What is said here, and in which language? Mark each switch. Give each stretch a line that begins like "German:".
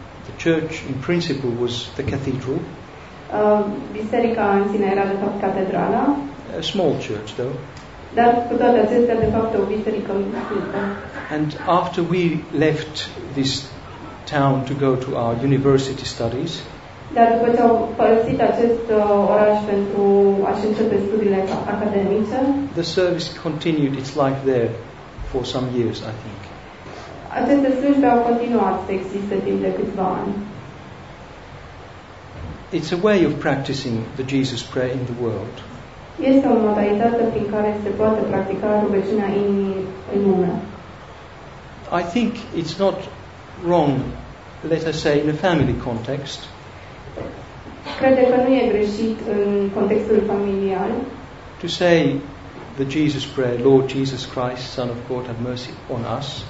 English: The church in principle was the cathedral.
Romanian: Biserica în sine era de fapt catedrala.
English: A small church though.
Romanian: Dar cu toate acestea de fapt o biserică mică.
English: And after we left this town to go to our university studies.
Romanian: Dar după ce au părăsit acest oraș pentru a-și începe studiile academice.
English: The service continued its life there for some years, I think.
Romanian: Aceste slujbe au continuat să existe timp de câțiva ani.
English: It's a way of practicing the Jesus Prayer in the world.
Romanian: Este o modalitate prin care se poate practica rugăciunea inimii în lume.
English: I think it's not wrong, let us say, in a family context.
Romanian: Cred că nu e greșit în contextul familial.
English: To say the Jesus Prayer, Lord Jesus Christ, Son of God, have mercy on us.